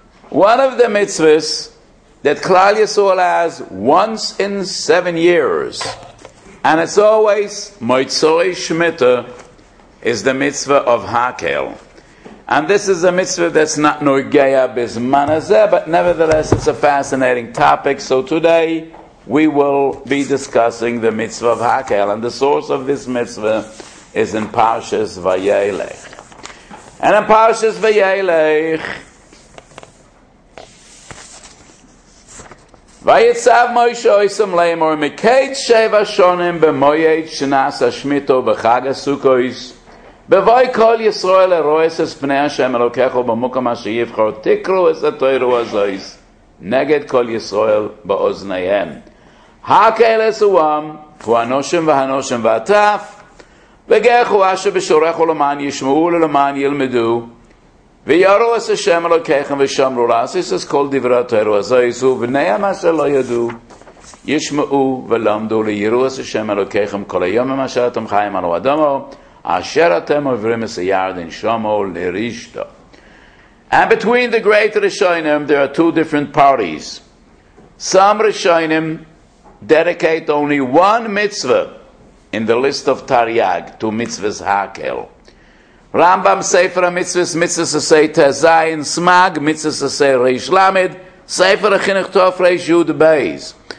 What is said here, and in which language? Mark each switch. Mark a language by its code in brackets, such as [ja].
[en] One of the mitzvahs that Klal Yisrael has once in 7 years, and it's always Moitzoi Shemitah, is the mitzvah of Hakel. And this is a mitzvah that's not Norgeya Bizman Hazeh, but nevertheless, it's a fascinating topic. So today, we will be discussing the mitzvah of Hakel. And the source of this mitzvah is in Parshas Vayelech. [he] And in Parshas Vayelech, Vayitzav Moshe Oysom Leimor, Mikeit Sheva Shonim, Bemoyet Shinas Hashmito, Bechag HaSukkos, בבואי כל ישראל לרועס את פני השם אלוקיך ובמוקם אשר יבחר, תקרו את התוירו הזויס נגד כל ישראל באוזניהם. הקהל עשווהם, הוא הנושם והנושם והטף, וגח הוא אשר בשורך ולמען ישמעו ולמען ילמדו, וירו את השם אלוקיכם ושמרו לעשיס את כל דברי התוירו הזויס, ובניהם אשר לא ידעו, ישמעו ולמדו לירו את השם אלוקיכם כל היום עם אשר אתם חיים על אדמו, Asher atem ovrim es yard in shomo lerishto. [en] And between the great Rishonim, there are two different parties. Some Rishonim dedicate only one mitzvah in the list of Taryag to mitzvahs Hakel. Rambam Sefer HaMitzvahs, mitzvahs asay tezayin smag, mitzvahs asay reish lamed, Sefer HaChinuch Tov reish yud beis.